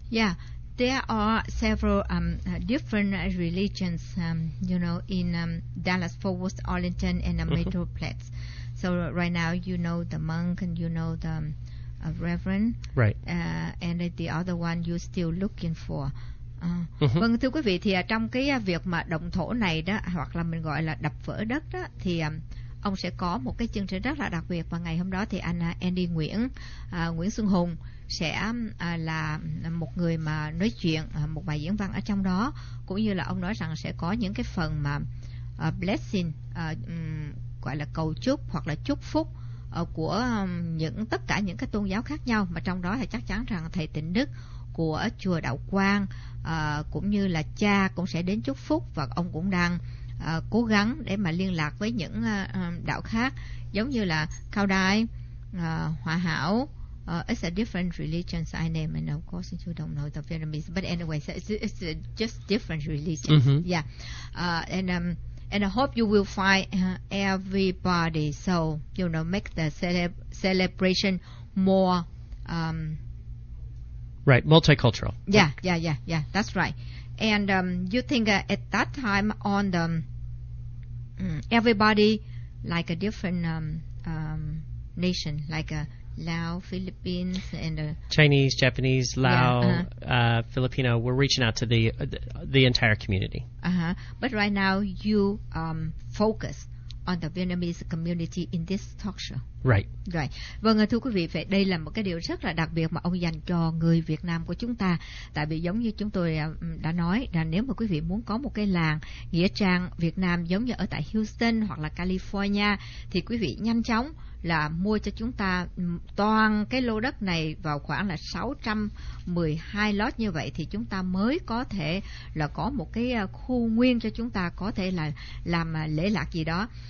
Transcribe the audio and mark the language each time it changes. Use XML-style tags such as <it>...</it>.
<en>Yeah, there are several different religions, you know, in Dallas-Fort Worth, Arlington, and Metroplex. So right now, you know the monk and you know the reverend. Right. And the other one you're still looking for.</en> <vi>Vâng, thưa quý vị, thì trong cái việc mà động thổ này đó, hoặc là mình gọi là đập vỡ đất đó, thì ông sẽ có một cái chương trình rất là đặc biệt. Và ngày hôm đó thì anh Andy Nguyễn, Nguyễn Xuân Hùng sẽ là một người mà nói chuyện, một bài diễn văn ở trong đó. Cũng như là ông nói rằng sẽ có những cái phần mà blessing, gọi là cầu chúc hoặc là chúc phúc của những tất cả những cái tôn giáo khác nhau. Mà trong đó thì chắc chắn rằng Thầy Tịnh Đức của chùa Đạo Quang cũng như là cha cũng sẽ đến chúc phúc, và ông cũng đang cố gắng để mà liên lạc với những đạo khác giống như là Cao Đài, Hòa Hảo.</vi> <en>It's a different religion, so I name, and of course you don't know the Vietnamese, but anyway, so it's just different religions. Mm-hmm. Yeah. And I hope you will find everybody, so you know, make the celebration more right, multicultural. Yeah, that's right. And you think at that time on the everybody like a different nation, like Lao, Philippines, and Chinese, Japanese, Lao, Filipino. We're reaching out to the entire community. Uh-huh. But right now you focus on the Vietnamese community in this talk show. Right.</en> <vi>Rồi. Vâng, thưa quý vị, vậy đây là một cái điều rất là đặc biệt mà ông dành cho người Việt Nam của chúng ta. Tại vì giống như chúng tôi đã nói, là nếu mà quý vị muốn có một cái làng nghĩa trang Việt Nam giống như ở tại Houston hoặc là California, thì quý vị nhanh chóng là mua cho chúng ta toàn cái lô đất này vào khoảng là 612 lot như vậy, thì chúng ta mới có thể là có một cái khu nguyên cho chúng ta có thể là làm lễ lạc gì đó.</vi>